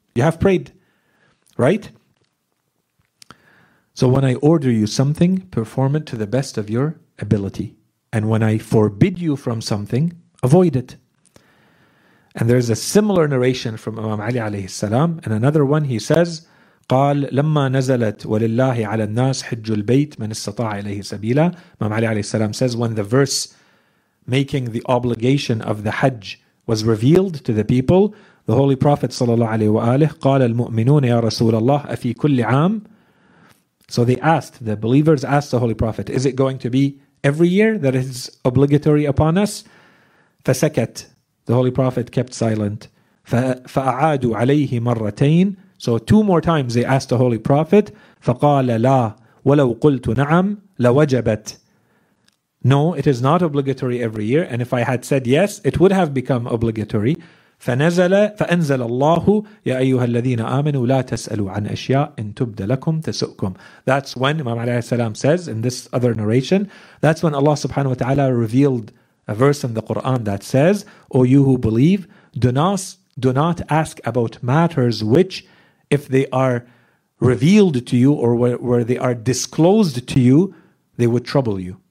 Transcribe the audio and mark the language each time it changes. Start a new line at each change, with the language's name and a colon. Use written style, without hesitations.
English: You have prayed, right? So when I order you something, perform it to the best of your ability. And when I forbid you from something, avoid it. And there's a similar narration from Imam Ali alayhi salam. And another one, he says,
Arabic: قال لما نزلت ولله على الناس حج البيت من استطاع إليه سبيلا.
English: Imam Ali alayhi salam says, when the verse making the obligation of the Hajj was revealed to the people, the Holy Prophet sallallahu alayhi wa alihi
Arabic: قال المؤمنون يا رسول الله أفي كل عام.
English: So they asked, the believers asked the Holy Prophet, is it going to be every year that is obligatory upon us?
Arabic: فسكت.
English: The Holy Prophet kept silent.
Arabic: فأعادوا عليه مرتين.
English: So 2 more times they asked the Holy Prophet.
Arabic: فقال لا ولو قلت نعم لوجبت.
English: No, it is not obligatory every year. And if I had said yes, it would have become obligatory.
Arabic: فأنزل الله يا أيها الذين آمنوا لا تسألوا عن أشياء إن تبد لكم تسؤكم.
English: That's when Imam
Arabic: عليه السلام
English: says in this other narration, that's when Allah subhanahu wa ta'ala revealed a verse in the Quran that says, O you who believe, do not ask about matters which, if they are revealed to you or where they are disclosed to you, they would trouble you.